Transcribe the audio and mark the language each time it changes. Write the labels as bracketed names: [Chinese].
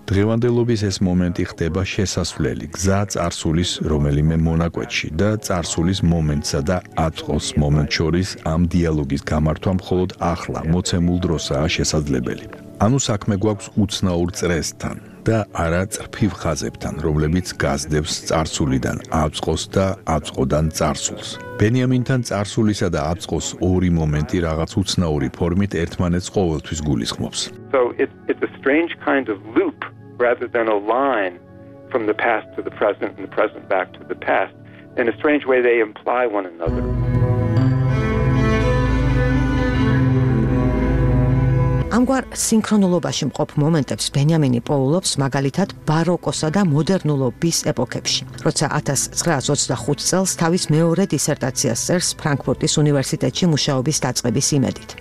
[Georgian] დღევანდელობის ეს მომენტი ხდება შესასვლელი გზა წარსულის რომელიმე მონაკვეთში და წარსულის მომენტსა და აწყოს მომენტ შორის ამ დიალოგის გამართვა მხოლოდ ახლა, მოცემულ დროსაა შესაძლებელი. ანუ საქმე გვაქვს უცნაურ წრესთან და არა წრფივ ხაზებთან, რომლებიც გაზდებს წარსულიდან აწყოს და აწყოდან წარსულს. ბენიამინთან წარსულისა და აწყოს ორი მომენტი რაღაც უცნაური ფორმით ერთმანეთს ყოველთვის გულისხმობს. [English] So it's a strange kind of loop rather than a line from the past to the present and the present back to the past. In a strange way they imply one another. [Georgian] ამგვარ სინქრონულობაში მყოფ მომენტებს ბენიამინი პოულობს მაგალითად ბაროკოსა და მოდერნულობის ეპოქებში. როცა 1925 წელს თავის მეორე დისერტაციას წერს ფრანკფურტის უნივერსიტეტში მუშაობის დაწყების იმედით.